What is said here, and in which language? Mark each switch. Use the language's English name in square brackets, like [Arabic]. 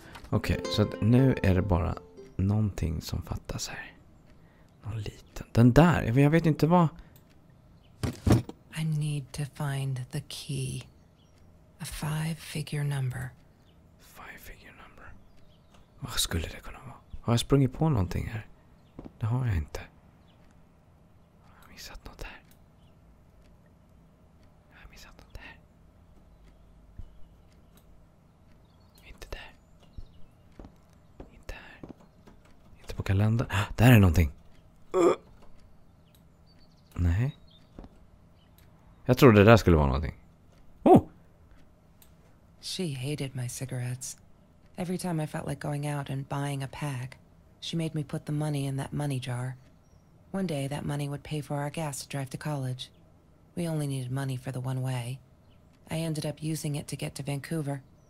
[Swedish] Okej, så att nu är det bara någonting som fattas här. Någon liten. Den där. Jag vet inte vad. [English] I need to find the key. A five figure number. Five figure number. [Swedish] Vad skulle det kunna vara? Har jag sprungit på någonting här? Det har jag inte. Har jag missat något här? Har jag missat något här? Inte där. Inte här. Inte på kalendern. Ah, där är någonting. Nej. Jag trodde det där skulle vara någonting. Oh! [English] She hated my cigarettes. Every time I felt like going out and buying a pack, she made me put the money in that money jar. One day, that money would pay for our gas to drive to college. We only needed money for the one way. I ended up using it to get to Vancouver.